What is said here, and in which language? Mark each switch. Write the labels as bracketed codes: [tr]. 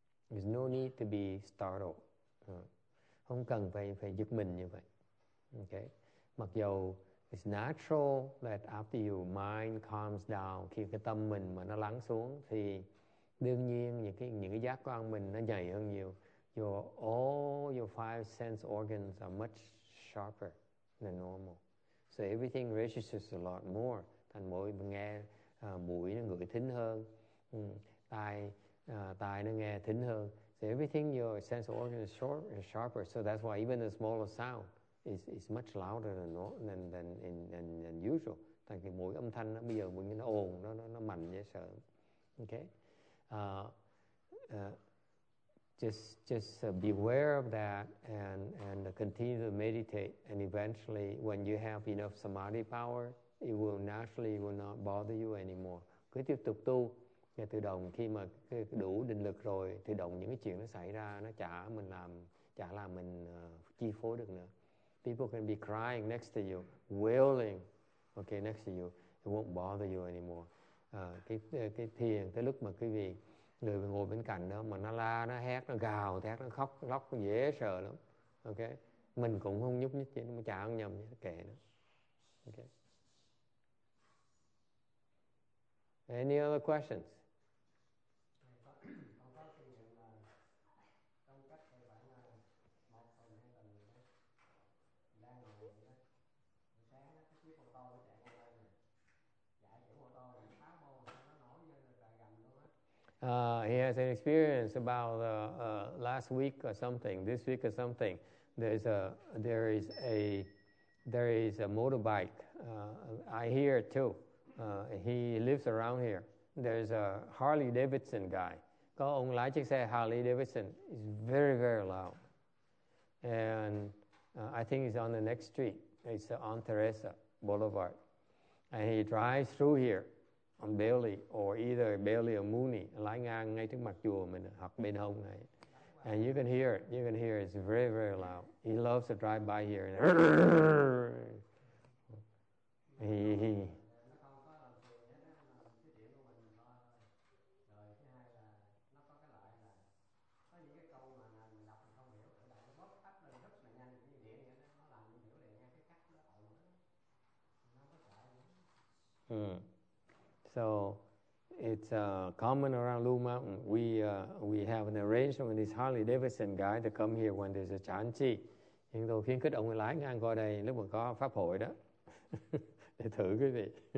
[en] There's no need to be startled. [vi] Không cần phải giật mình như vậy. Okay. Mặc dù [en] it's natural that after your mind calms down, [vi] khi cái tâm mình mà nó lắng xuống thì đương nhiên những cái giác quan mình nó nhạy hơn nhiều. [en] All your five sense organs are much sharper than normal. So everything registers a lot more. [vi] Thành mỗi nghe mũi nó ngửi thính hơn, tai nó nghe thính hơn. [en] So everything, your sense organ is sharper. So that's why even the smallest sound is much louder than usual. [vi] Thành cái mũi âm thanh nó bây giờ mình nó ồn, nó mạnh dễ sợ. [en] Okay? Just beware of that and continue to meditate, and eventually when you have enough samadhi power, it will naturally will not bother you anymore. [vi] Cứ tiếp tục tu, và tự động khi mà đủ định lực rồi, tự động những cái chuyện nó xảy ra nó chả làm mình chi phối được nữa. [en] People can be crying next to you, wailing, okay, next to you, it won't bother you anymore. [vi] Cái thiền tới lúc mà quý vị người ngồi bên cạnh đó mà nó la, nó hét, nó gào thét, nó khóc lóc dễ sợ lắm. Ok, mình cũng không nhúc nhích gì, nó chả không nhầm gì, nó kệ nó. [en] Ok, any other questions? [vi] Trong [en] He has an experience about last week or something, this week or something. There is a motorbike. I hear it too. He lives around here. There's a Harley Davidson guy. [vi] Có ông lái chiếc xe Harley Davidson. [en] It's very, very loud. And I think he's on the next street. It's on Teresa Boulevard. And he drives through here on Bailey, or either Bailey or Mooney, [vi] lái ngang ngay trước mặt chùa mình hoặc bên hông này. [en] And you can hear it. You can hear it. It's very, very loud. He loves to drive by here. And So it's common around Lu Mountain. We have an arrangement with this Harley Davidson guy to come here when there's a chan chi. [vi] Nhưng tôi khuyến khích ông lái ngang qua đây lúc mà có pháp hội đó để thử quý vị.